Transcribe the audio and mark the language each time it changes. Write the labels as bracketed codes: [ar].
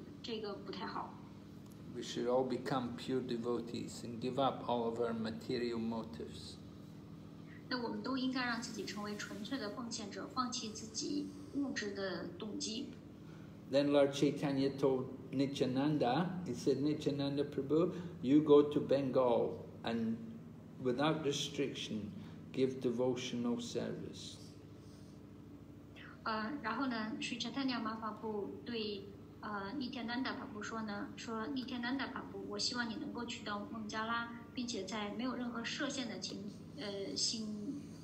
[zh] 那有些人呢，他看起来好像是在从事bhakti的活动，但他做这个呢，只是为了想要赚钱而已，这个不太好。 [en] We should all become pure devotees and give up all of our material motives. [zh] 那我们都应该让自己成为纯粹的奉献者，放弃自己物质的动机。 [en] Then Lord Chaitanya told Nityananda, he said, "Nityananda Prabhu, you go to Bengal and without restriction, give devotional service." [zh] 然后呢， Sri Chaitanya Mahaprabhu 对Nityananda Prabhu 说呢，说Nityananda Prabhu， 我希望你能够去到孟加拉，并且在没有任何设限的情形